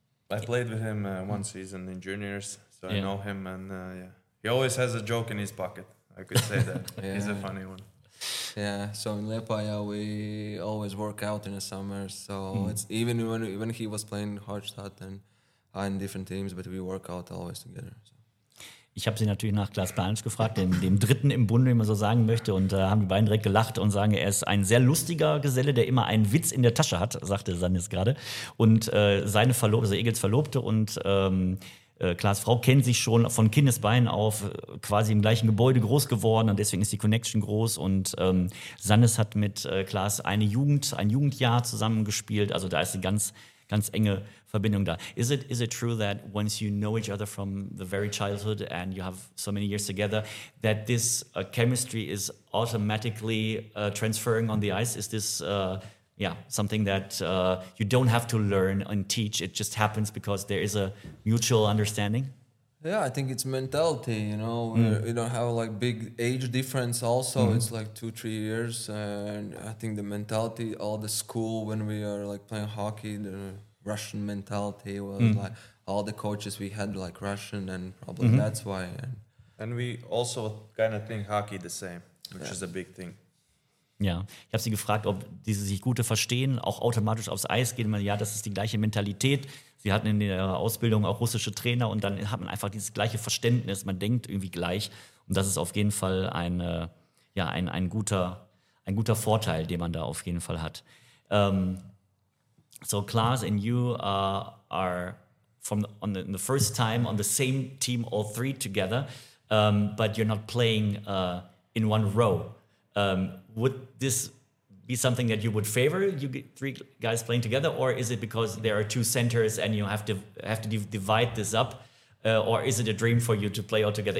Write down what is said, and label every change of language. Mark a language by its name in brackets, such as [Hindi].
[English] I played with him one season in juniors. So I know him, and he always has a joke in his pocket. I could say that. Yeah. He's a funny one. Yeah, so in Liepāja we always work out in the summer. So it's even when he was playing Hartstadt and in different teams, but we work out always together. So. [German] Ich habe sie natürlich nach Klaas Planitz gefragt, dem Dritten im Bunde, wie man so sagen möchte, und da haben die beiden direkt gelacht und sagen, er ist ein sehr lustiger Geselle, der immer einen Witz in der Tasche hat, sagte Sanis gerade. Und seine Verlobte, also Egels Verlobte, und Klaas Frau kennt sich schon von Kindesbeinen auf, quasi im gleichen Gebäude groß geworden und deswegen ist die Connection groß. Und Sannes hat mit Klaas ein Jugendjahr zusammengespielt. Also da ist eine ganz, ganz enge Verbindung da. [English] Is it true that once you know each other from the very childhood and you have so many years together, that this chemistry is automatically transferring on the ice? Is this something that you don't have to learn and teach? It just happens because there is a mutual understanding? Yeah, I think it's mentality, you know. We don't have like big age difference also. Mm. It's like 2-3 years. And I think the mentality, all the school when we are like playing hockey, the Russian mentality was like all the coaches we had like Russian and probably that's why. And we also kind of think hockey the same, which is a big thing. [German] Ja, ich habe sie gefragt, ob diese sich gute verstehen, auch automatisch aufs Eis gehen. Ja, das ist die gleiche Mentalität. Sie hatten in ihrer Ausbildung auch russische Trainer und dann hat man einfach dieses gleiche Verständnis. Man denkt irgendwie gleich und das ist auf jeden Fall ein guter Vorteil, den man da auf jeden Fall hat. [English] So Klaas and you are from the first time on the same team, all three together, but you're not playing in one row. Would this be something that you would favor, you three guys playing together, or is it because there are two centers and you have to divide this up, or is it a dream for you to play all together?